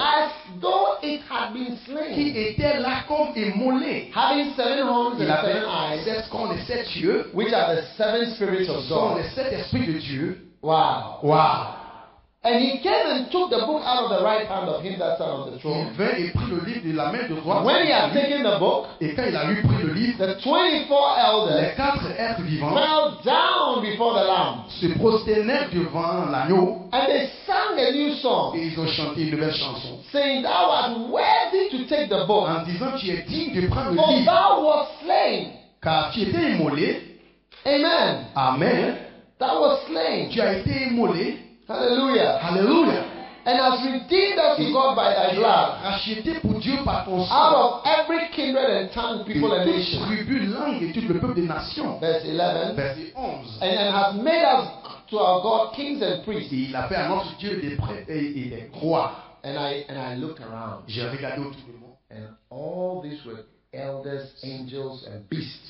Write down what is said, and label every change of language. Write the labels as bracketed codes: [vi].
[en] as though it had been slain, [fr] qui était là comme immolé, [en] having seven horns and seven eyes, [fr] sept cornes et sept yeux, [en] which are the seven spirits of God, [fr] les sept esprits de Dieu. [en] Wow. Wow. And he came and took the book out of the right hand of him that sat on the throne. [fr] Il vint et prit le livre de la main de droite. [en] When he had taken the book, [fr] et quand il a lui pris le livre, [en] the 24 elders, [fr] les quatre êtres vivants, [en] fell down before the Lamb, [fr] se prosternèrent devant l'agneau, [en] and they sang a new song, [fr] et ils ont chanté une nouvelle chanson, [en] saying, thou art worthy to take the book, [fr] en disant, tu es digne de prendre le [en] for [fr] livre, [en] thou wast slain, [fr] car tu étais immolé. [en] Amen. Amen. Thou wast slain. [fr] Tu as été immolé. [en] Hallelujah. Hallelujah. And has redeemed us to God by thy blood. [fr] Racheté pour Dieu par ton sang. [en] Out of every kindred and tongue, people and nation. [fr] Tribu, langue, et tout le peuple des nations. [en] Verse 11. Verse 11. And has made us to our God kings and priests. [fr] Et il a fait à notre Dieu des prêtres et des rois. [en] And I look around. [fr] J'ai regardé autour de moi. [en] And all these were elders, angels, and beasts.